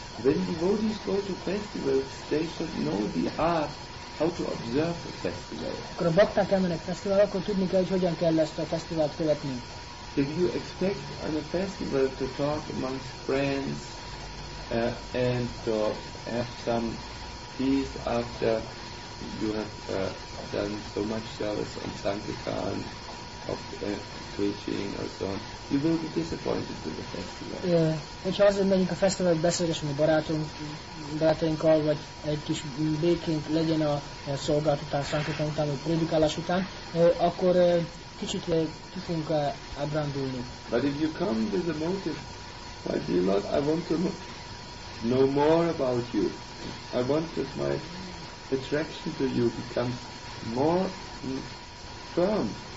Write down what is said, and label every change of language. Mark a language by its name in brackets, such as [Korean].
[English] When devotees go to festivals, they should know the art how to observe the festival. [Hungarian] Akkor a bakták elmennek fesztivál, akkor tudni kell, hogy hogyan kell ezt a fesztivált követni. [English] If you expect on a festival to talk amongst friends and to have some peace after you have done so much service on Sankirtan, of preaching or so on, you will be disappointed with the festival. [Hungarian] Hogyha azért megyünk a fesztivált, beszélgessünk a barátainkkal, vagy egy kis békénk legyen a szolgált után, szankirtan után, vagy prédikálás után, akkor kicsit ki fogunk ábrándulni. [English] But if you come with a motive, my dear Lord, I want to know more about you. I want that my attraction to you becomes more firm.